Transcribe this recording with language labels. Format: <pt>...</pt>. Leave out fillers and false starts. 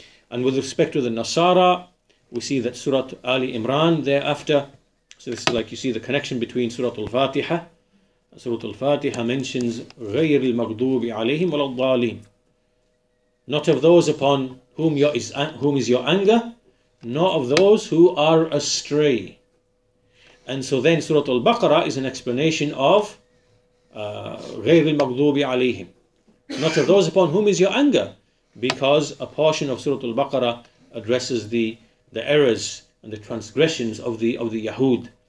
<en>And with respect to the Nasara, we see that Surah Ali Imran thereafter. So this is like you see the connection between Surah Al-Fatiha. Surah Al-Fatiha mentions</en> <ar>غير المغضوب عليهم ولا الضالين.</ar> <en>Not of those upon whom is your anger, nor of those who are astray. And so then Surah Al-Baqarah is an explanation of</en> <ar>غير المغضوب عليهم.</ar> <en>Not of those upon whom is your anger, because a portion of Surah Al-Baqarah addresses the errors and the transgressions of the Yahud.</en>